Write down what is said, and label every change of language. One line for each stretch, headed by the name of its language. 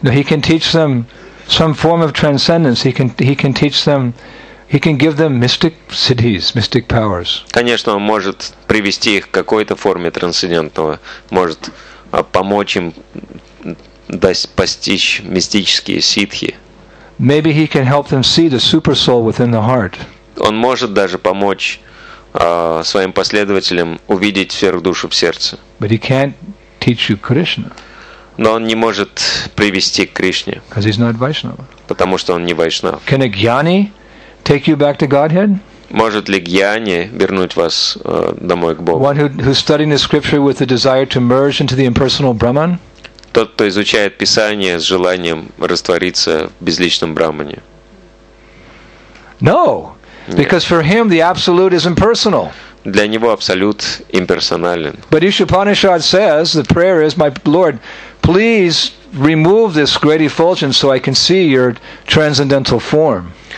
English: No, he can teach them some form of transcendence. He can teach them. He can give them mystic siddhis, mystic powers.
Russian: Конечно, он может привести их к какой-то форме трансцендентного, может помочь им постичь мистические сиддхи.
English: Maybe he can help them see the super soul within the heart.
Russian: Он может даже помочь своим последователям увидеть сверхдушу в сердце.
English: But he can't teach you Krishna.
Russian: Но он не может привести к Кришне.
English: Because he's not Vaishnava.
Russian: Потому что он не вайшнав.
English: Can a gyani take you back to Godhead?
Russian: Может ли гьяни вернуть вас домой к Богу?
English: One who's studying the scripture with the desire to merge into the impersonal Brahman.
Russian: Тот, кто изучает Писание с желанием раствориться в безличном Брахмане.
English: No, because for him the absolute is impersonal.
Russian: Для него абсолют имперсонален.
English: But Upanishad says the prayer is, my Lord, please remove this great effulgence so I can see your transcendental form.